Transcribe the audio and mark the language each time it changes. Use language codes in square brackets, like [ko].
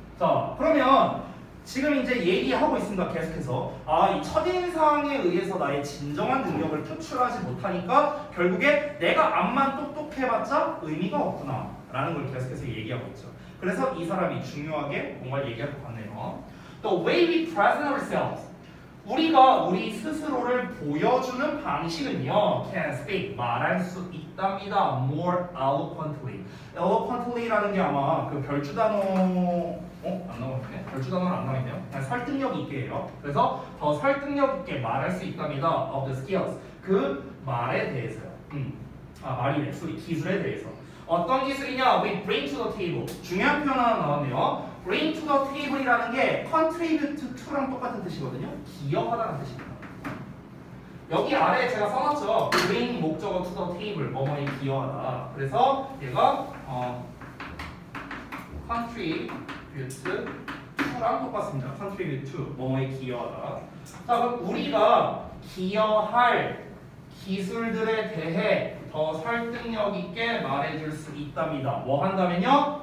[ko] 자, 그러면 지금 이제 얘기하고 있습니다. 계속해서 아, 이 첫인상에 의해서 나의 진정한 능력을 표출하지 못하니까 결국에 내가 앞만 똑똑해봤자 의미가 없구나 라는 걸 계속해서 얘기하고 있죠. 그래서 이 사람이 중요하게 뭔가를 얘기할 것 같네요. [en] The way we present ourselves. [ko] 우리가 우리 스스로를 보여주는 방식은요. [en] Can speak, [ko] 말할 수 있답니다. [en] More eloquently. [ko] Eloquently라는 게 아마 그 별주 단어... 안 나오네? 별주 단어는 안 나오네요. 그냥 설득력 있게예요. 그래서 더 설득력 있게 말할 수 있답니다. [en] Of the skills. [ko] 그 말에 대해서요. 말이네. 소리, 기술에 대해서. 어떤 기술이냐? [en] We bring to the table. [ko] 중요한 표현 하나 나왔네요. [en] Bring to the table [ko] 이라는 게 [en] contribute to [ko] 랑 똑같은 뜻이거든요. 기여하다는 뜻입니다. 여기 아래 제가 써놨죠. [en] Bring 목적어 to the table. [ko] 뭐뭐에 기여하다. 그래서 얘가 contribute to랑 똑같습니다. Contribute to 뭐뭐에 기여하다. 자, 그럼 우리가 기여할 기술들에 대해 더 설득력 있게 말해줄 수 있답니다. 뭐 한다면요?